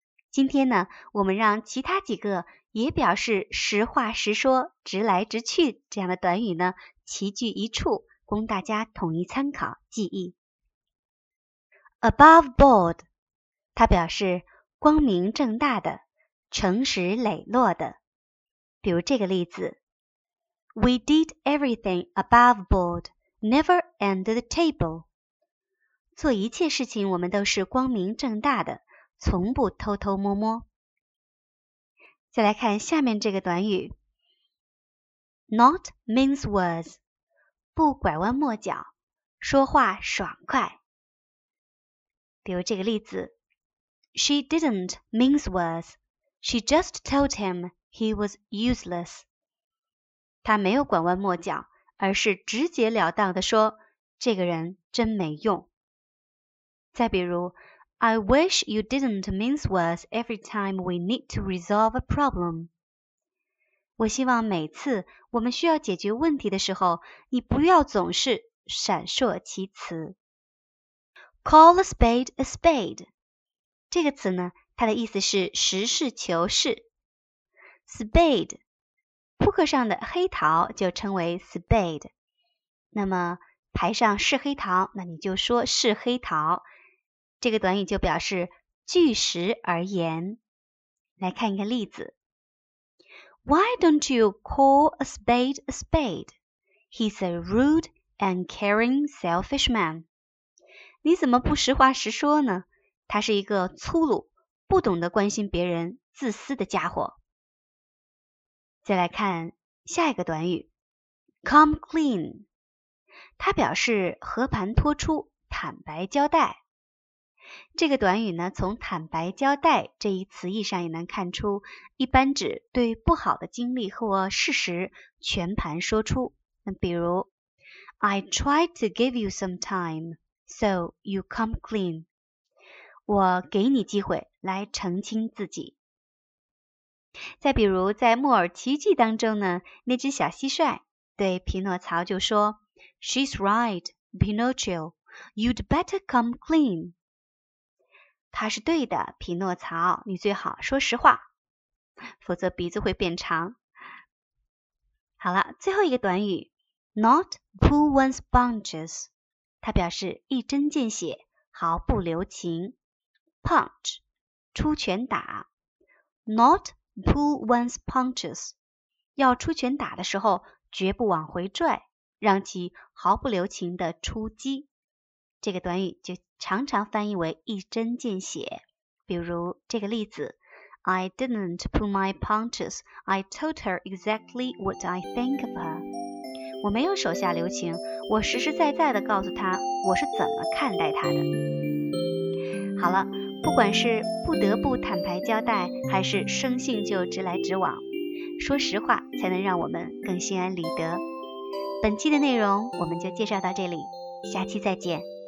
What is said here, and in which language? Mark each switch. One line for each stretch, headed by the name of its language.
Chinese: 今天呢，我们让其他几个也表示实话实说、直来直去这样的短语呢，齐聚一处，供大家统一参考记忆。
English: Above board，
Chinese: 它表示光明正大的、诚实磊落的。比如这个例子
English: ：We did everything above board, never under the table。
Chinese: 做一切事情，我们都是光明正大的，从不偷偷摸摸。再来看下面这个短语 ，
English: not mince words，
Chinese: 不拐弯抹角，说话爽快。比如这个例子
English: ，She didn't mince words， she just told him he was useless。
Chinese: 她没有拐弯抹角，而是直截了当地说，这个人真没用。再比如。
English: I wish you didn't mince words every time we need to resolve a problem.
Chinese: 我希望每次我们需要解决问题的时候，你不要总是闪烁其词。
English: Call a spade a spade.
Chinese: 这个词呢，它的意思是实事求是。Spade， 扑克上的黑桃就称为 spade。那么牌上是黑桃，那你就说是黑桃。这个短语就表示据实而言。来看一个例子。
English: Why don't you call a spade a spade? He's a rude and caring selfish man.
Chinese: 你怎么不实话实说呢？他是一个粗鲁、不懂得关心别人、自私的家伙。再来看下一个短语。
English: Come clean.
Chinese: 它表示和盘托出、坦白交代。这个短语呢，从坦白交代这一词义上也能看出，一般指对不好的经历或事实全盘说出。那比如
English: I tried to give you some time, so you come clean.
Chinese: 我给你机会来澄清自己。再比如在木偶奇迹当中呢，那只小蟋蟀对皮诺曹就说
English: She's right, Pinocchio, you'd better come clean.
Chinese: 他是对的，匹诺曹，你最好说实话，否则鼻子会变长。好了，最后一个短语 ，
English: not pull one's punches，
Chinese: 它表示一针见血，毫不留情。 punch， 出拳打 ，
English: not pull one's punches，
Chinese: 要出拳打的时候绝不往回拽，让其毫不留情地出击。这个短语就常常翻译为一针见血，比如这个例子
English: I didn't pull my punches, I told her exactly what I think of her.
Chinese: 我没有手下留情，我实实在在地告诉她我是怎么看待她的。好了，不管是不得不坦白交代，还是生性就直来直往，说实话才能让我们更心安理得。本期的内容我们就介绍到这里，下期再见。